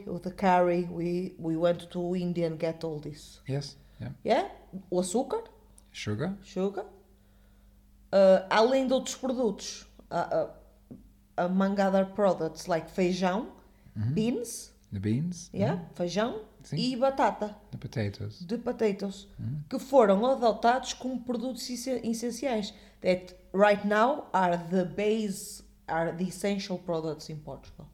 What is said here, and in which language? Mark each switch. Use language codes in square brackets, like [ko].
[en] With the curry, we went to India and get all this. Yes, yeah. [pt] Yeah, o açúcar. [en] Sugar. Sugar. [pt] Além de outros produtos, [en] among other products, like feijão, mm-hmm. beans. The beans. [pt] Yeah, mm-hmm. feijão. Sim. E batata. [en] De potatoes. [pt] Que foram adotados como produtos essenciais. [en] That right now are the essential products in Portugal.